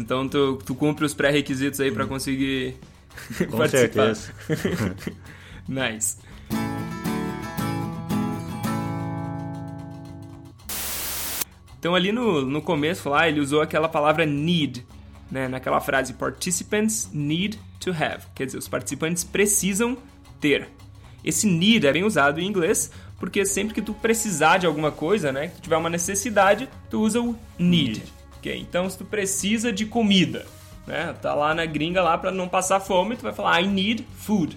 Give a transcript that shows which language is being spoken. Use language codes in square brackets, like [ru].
[pt] Então, tu cumpre os pré-requisitos aí pra conseguir com participar. Com certeza. [en] Nice. [pt] Então, ali no começo lá, ele usou aquela palavra need, né? Naquela frase, [en] participants need to have. [pt] Quer dizer, os participantes precisam ter. Esse need é bem usado em inglês, porque sempre que tu precisar de alguma coisa, né? Que tu tiver uma necessidade, tu usa o need. Okay? Então, se tu precisa de comida, né? Tá lá na gringa lá pra não passar fome, tu vai falar, [en] I need food.